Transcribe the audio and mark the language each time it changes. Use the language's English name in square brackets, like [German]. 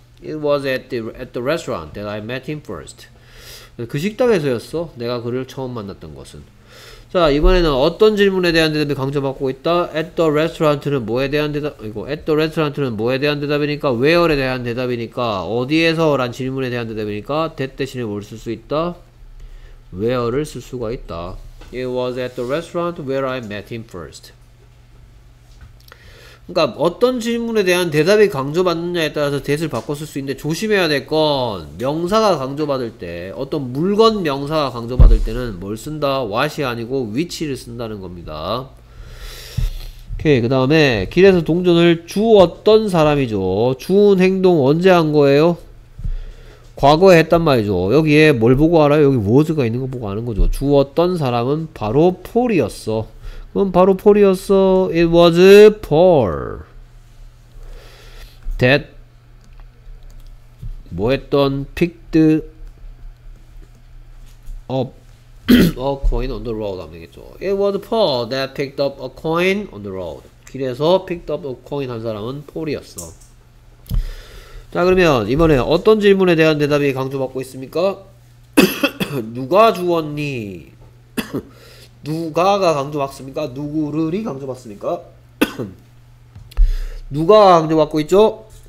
[English] It was at the restaurant that I met him first. [Korean] 그 식당에서였어. 내가 그를 처음 만났던 것은. 자 이번에는 어떤 질문에 대한 대답이 강조받고 있다? [English] At the restaurant [Korean] 는 뭐에 대한 대답? 이거 at the restaurant는 뭐에 대한 대답이니까 where에 대한 대답이니까 어디에서란 질문에 대한 대답이니까 that 대신에 뭘 쓸 수 있다? where를 쓸 수가 있다. [English] It was at the restaurant where I met him first. [Korean] 그러니까 어떤 질문에 대한 대답이 강조받느냐에 따라서 that을 바꿔 쓸 수 있는데 조심해야 될 건 명사가 강조받을 때 어떤 물건 명사가 강조받을 때는 뭘 쓴다? what이 아니고 which를 쓴다는 겁니다. 오케이 그 다음에 길에서 동전을 주었던 사람이죠. 주운 행동 언제 한 거예요? 과거에 했단 말이죠. 여기에 뭘 보고 알아요? 여기 was가 있는 거 보고 아는 거죠. 주었던 사람은 바로 폴이었어. 그럼 바로 폴이었어. [English] It was Paul that [Korean] 뭐했던 [English] picked up a coin on the road [Korean] 하면 되겠죠. [English] It was Paul that picked up a coin on the road. [Korean] 길에서 [English] picked up a coin [Korean] 한 사람은 폴이었어. 자 그러면 이번에 어떤 질문에 대한 대답이 강조받고 있습니까? 누가 주었니? 누가가 강조받습니까? 누구를이 강조받습니까? 누가 강조받고 있죠?